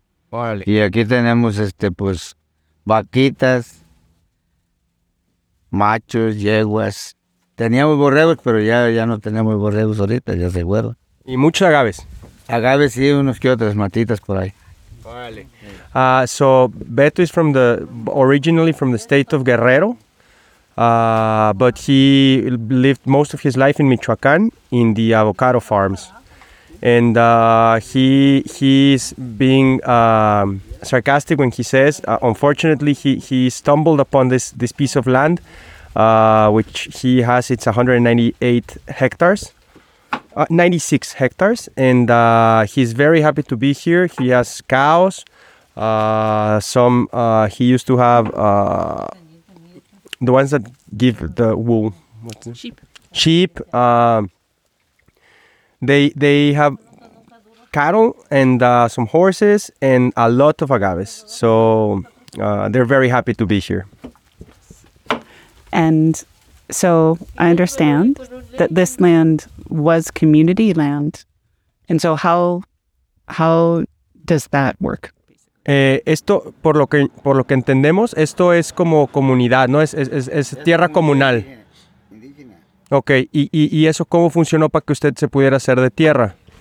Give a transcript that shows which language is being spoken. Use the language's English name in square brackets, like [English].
[Spanish] Vale. Y aquí tenemos pues vaquitas, machos, yeguas. Teníamos borregos, pero ya no tenemos borregos ahorita, ya se acuerdan. Y muchos agaves. Agaves y unos que otras matitas por ahí. Vale. [English] So Beto is originally from the state of Guerrero, but he lived most of his life in Michoacán in the avocado farms, and he's being sarcastic when he says, unfortunately, he stumbled upon this piece of land, which he has. It's 198 hectares. 96 hectares, and he's very happy to be here. He has cows, he used to have the ones that give the wool. Sheep. They have cattle and some horses and a lot of agaves. So they're very happy to be here. And so I understand that this land was community land. And so how does that work? [Spanish] Esto, por lo que entendemos, esto es como comunidad, ¿no? Es tierra comunal. Okay, y eso cómo funcionó para que usted se pudiera hacer de tierra?